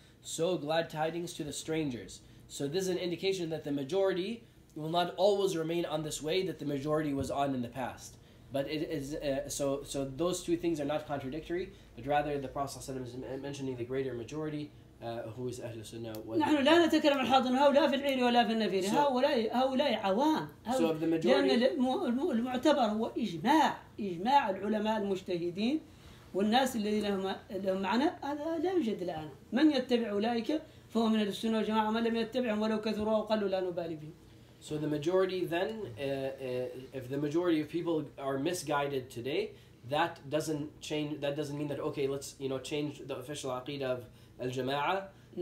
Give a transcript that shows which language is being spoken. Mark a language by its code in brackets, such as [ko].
[en] So glad tidings to the strangers. So this is an indication that the majority will not always remain on this way that the majority was on in the past. But it is so those two things are not contradictory, but rather the Prophet ﷺ is mentioning the greater majority who is Ahlul Sunnah. [ar] نحن لا نتكلم عن حاضر هؤلاء في العين ولا في النفير. هؤلاء عوام. [en] So of the majority. [ar] لأن المعتبر هو إجماع العلماء المجتهدين والناس الذين لهم معنى هذا لا يوجد الآن. من يتبع أولئك فهو من أهل السنة والجماعة، من لم يتبعهم ولو كثروا وقلوا لا نبالي بهم. [en] So the majority then, if the majority of people are misguided today, that doesn't change, that doesn't mean that, okay, let's, you know, change the official aqidah of al-jama'ah. Mm-hmm.